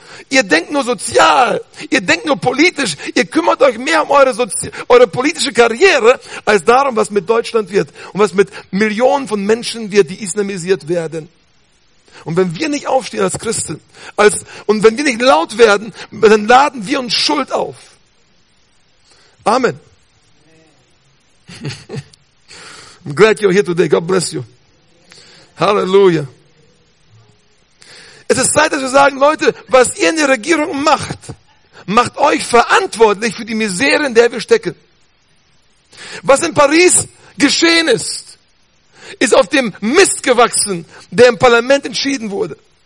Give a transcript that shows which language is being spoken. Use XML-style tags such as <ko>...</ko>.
<de>Ihr denkt nur sozial, ihr denkt nur politisch, ihr kümmert euch mehr um eure politische Karriere als darum, was mit Deutschland wird und was mit Millionen von Menschen wird, die islamisiert werden. Und wenn wir nicht aufstehen als Christen, und wenn wir nicht laut werden, dann laden wir uns Schuld auf. Amen.</de> <en>I'm glad you're here today. God bless you. Hallelujah.</en> <de>Es ist Zeit, dass wir sagen, Leute, was ihr in der Regierung macht, macht euch verantwortlich für die Misere, in der wir stecken. Was in Paris geschehen ist, ist auf dem Mist gewachsen, der im Parlament entschieden wurde.</de>